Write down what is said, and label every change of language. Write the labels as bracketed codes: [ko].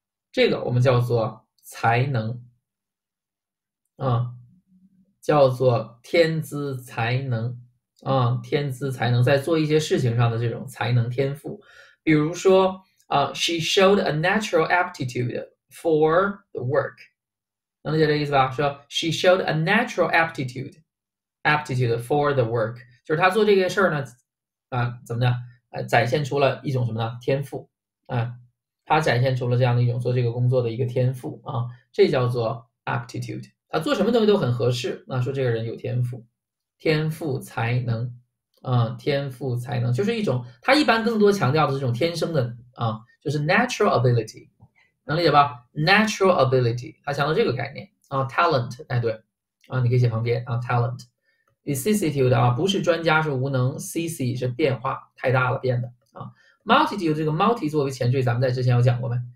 [zh] 这个我们叫做才能啊。叫做天资才能啊，天资才能在做一些事情上的这种才能天赋，比如说 [en] she showed a natural aptitude for the work， [zh] 能理解这意思吧？说 [en] she showed a natural aptitude for the work， [zh] 就是她做这个事儿呢，怎么的？展现出了一种什么呢？天赋啊，她展现出了这样的一种做这个工作的一个天赋啊，这叫做 aptitude。他做什么东西都很合适，那说这个人有天赋，天赋才能，天赋才能就是一种，他一般更多强调的是这种天生的就是 [en] natural ability， [zh] 能理解吧？natural ability，他强调这个概念talent，哎对，你可以写旁边talent，vicissitude 不是专家是无能，cc 是变化太大了变的multitude 这个 multi 作为前缀，咱们在之前有讲过没？